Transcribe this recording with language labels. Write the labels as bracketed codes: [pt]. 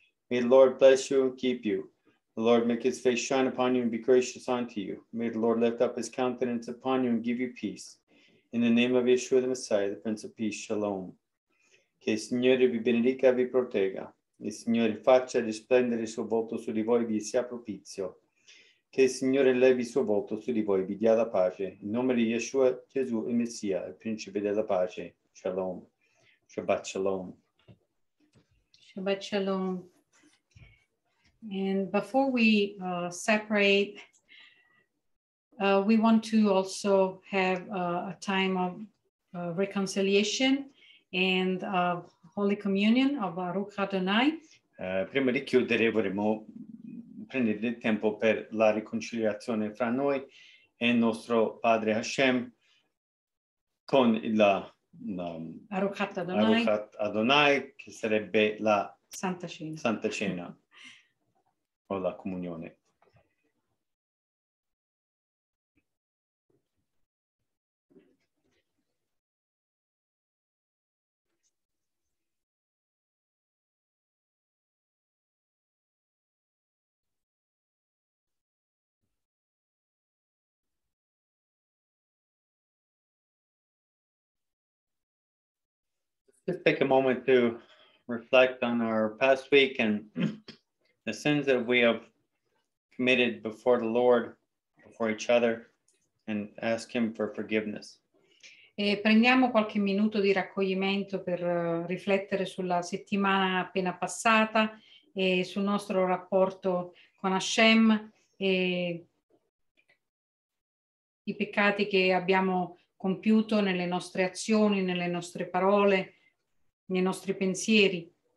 [en] May the Lord bless you and keep you. The Lord make his face shine upon you and be gracious unto you. May the Lord lift up his countenance upon you and give you peace. In the name of Yeshua the Messiah, the Prince of Peace, shalom. [it] Che il Signore vi benedica e vi protegga. Il Signore faccia risplendere il suo volto su di voi e vi sia propizio. Che il Signore levi il suo volto su di voi, vi dia la pace. In nome di Yeshua, Gesù, il Messia, il Principe della Pace. [he] Shalom. Shabbat Shalom. Shabbat Shalom. [en] And before we separate, we want to also have a time of reconciliation and of Holy Communion of Baruch Adonai. [it] Prima di chiudere vorremmo prendere il tempo per la riconciliazione fra noi e il nostro Padre Hashem con la Aruchat Adonai, che sarebbe la Santa Cena o la Comunione. [en] Just take a moment to reflect on our past week and the sins that we have committed before the Lord, before each other, and ask Him for forgiveness. [it] E prendiamo qualche minuto di raccoglimento per riflettere sulla settimana appena passata e sul nostro rapporto con Hashem e i peccati che abbiamo compiuto nelle nostre azioni, nelle nostre parole, nei nostri pensieri.